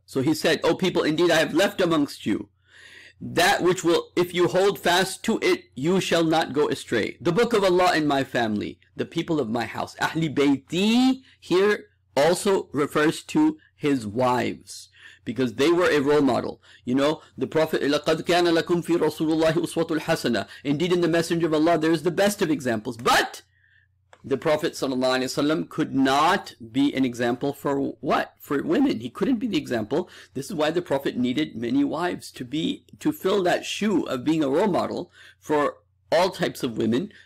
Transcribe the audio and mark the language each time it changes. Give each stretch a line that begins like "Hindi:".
English: So he said, "O people, indeed I have left amongst you that which will, if you hold fast to it, you shall not go astray. The book of Allah and my family, the people of my house." Ahli Bayti here also refers to his wives, because they were a role model. You know, the Prophet,
Arabic: لَقَدْ كَانَ لَكُمْ فِي رَسُولُ اللَّهِ أُسْوَةُ الْحَسَنَةِ.
English: Indeed, in the Messenger of Allah, there is the best of examples. But the Prophet ﷺ could not be an example for what? For women. He couldn't be the example. This is why the Prophet needed many wives to fill that shoe of being a role model for all types of women.